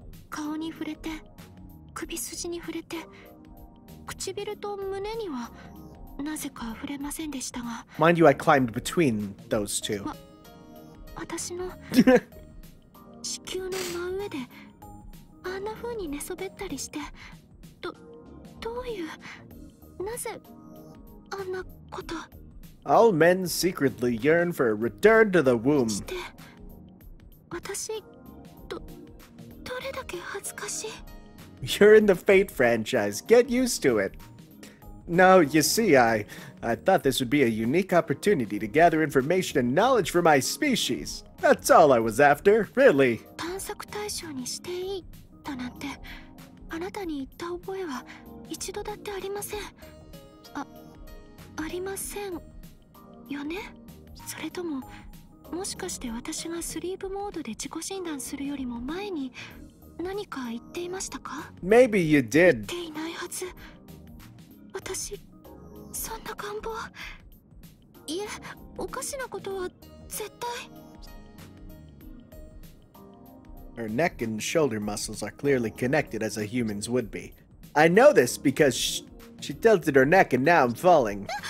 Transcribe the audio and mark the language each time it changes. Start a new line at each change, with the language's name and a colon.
Japanese: 顔に触れて、首筋に触れて、唇と胸にはなぜか触れませんでしたが。
English: Mind you, I climbed between those two.
Japanese: 私の地球の真上で、あんな風に寝そべったりして、どういう、なぜあんなこと。
English: All men secretly yearn for a return to the womb.
Japanese: して、私、どれだけ恥ずかしい。
English: You're in the Fate franchise. Get used to it. No, you see, I thought this would be a unique opportunity to gather information and knowledge for my species. That's all I was after, really.
Japanese: 探索対象にしていいだなんて、あなたに言った覚えは一度だってありません。ありませんよね？それとも、もしかして私がスリープモードで自己診断するよりも前に、何か言っていましたか？
English: Maybe you did.
Japanese: 言っていないはず。私、そんな願望。いえ、おかしなことは絶対。
English: Her neck and shoulder muscles are clearly connected as a human's would be. I know this because she tilted her neck and now I'm falling.